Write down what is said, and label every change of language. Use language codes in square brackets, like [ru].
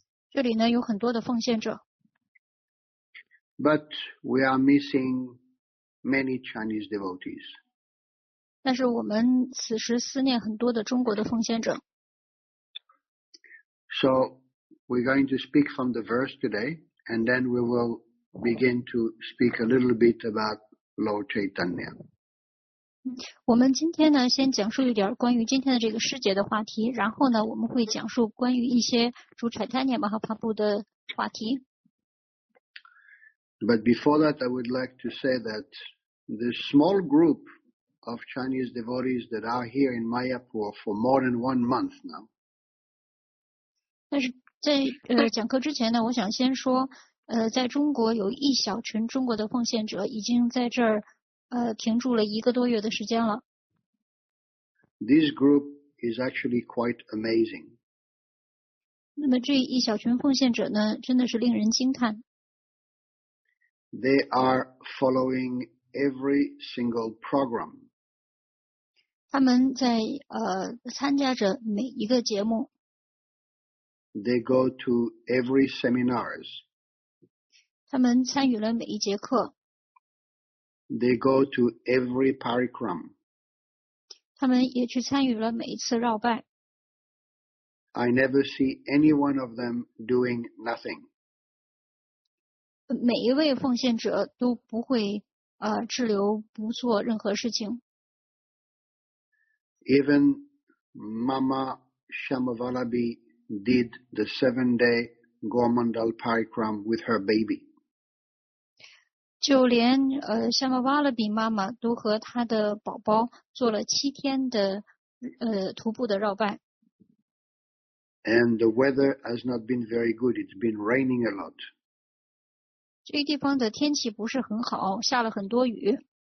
[zh] 这里呢有很多的奉献者。 [en] But we are missing many Chinese devotees. [zh] 但是我们此时思念很多的中国的奉献者。 [en] So we're going to speak from the verse today, and then we will begin to speak a little bit about Lord Chaitanya. [zh] 我们今天呢，先讲述一点关于今天的这个师节的话题，然后呢，我们会讲述关于一些主 Chaitanya Mahaprabhu 的话题。 [en] But before that, I would like to say that the small group of Chinese devotees that are here in Mayapur for more than 1 month now. [zh] 但是在讲课之前呢，我想先说，在中国有一小群中国的奉献者已经在这儿停住了一个多月的时间了。 [en] This group is actually quite amazing. [zh] 那么这一小群奉献者呢，真的是令人惊叹。 [en] They are following every single program. [zh] 他们在参加着每一个节目。 [en] They go to every seminars. [zh] 他们参与了每一节课。 [en] They go to every parikram. [zh] 他们也去参与了每一次绕拜。 [en] I never see any one of them doing nothing. [zh] 每一位奉献者都不会滞留不做任何事情。 [en] Even Mama Shyamavallabhi did the 7-day Gormandal Parikram with her baby. [zh] 就连Shyamavallabhi妈妈都和她的宝宝做了7天的徒步的绕拜。 [en] And the weather has not been very good. It's been raining a lot. [zh] 这个地方的天气不是很好，下了很多雨。